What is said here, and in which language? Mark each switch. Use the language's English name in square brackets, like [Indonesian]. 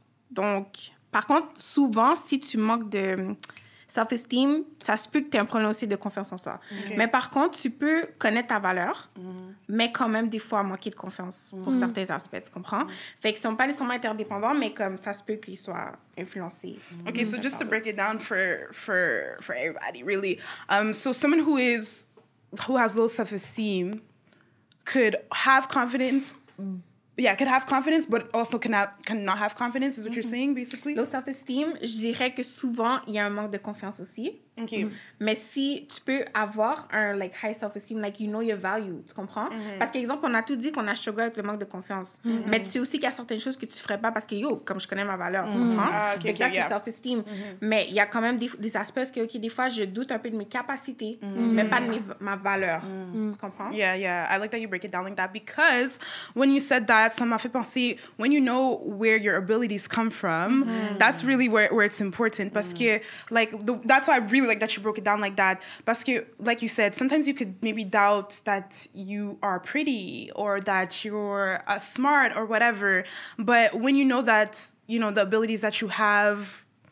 [French] Donc, par contre, souvent, si tu manques de self-esteem, ça se peut que tu aies un problème aussi de confiance en soi. Okay. Mais par contre, tu peux connaître ta valeur, mais quand même, des fois, manquer de confiance pour certains aspects, tu comprends? Fait qu'ils ne sont pas nécessairement interdépendants, mais comme ça se peut qu'ils soient influencés. [English] Okay, so just to break it down for everybody, really. So someone who has low self-esteem could have confidence... Yeah, could have confidence, but also cannot have confidence, is what you're saying, basically? [French] Low self-esteem, je dirais que souvent, il y a un manque de confiance aussi. OK. Mais si tu peux avoir un, [English] like, high self-esteem, like, you know your value, [French] tu comprends? Mm-hmm. Parce qu'exemple, on a tout dit qu'on a struggle avec le manque de confiance. Mm-hmm. Mais tu sais aussi qu'il y a certaines choses que tu ferais pas parce que, yo, comme je connais ma valeur, tu comprends? Okay, c'est self-esteem. Mais il y a quand même des aspects que, OK, des fois, je doute un peu de mes capacités, mais pas de ma valeur. Tu comprends? [English] Yeah, I like that you break it down like that because when you said that, [French] ça m'a fait penser, [English] when you know where your abilities come from, that's really where it's important. [French] Parce que, [English] like, that's why I really like that you broke it down like that. [French] Parce que, [English] like you said, sometimes you could maybe doubt that you are pretty or that you're smart or whatever. But when you know that, you know, the abilities that you have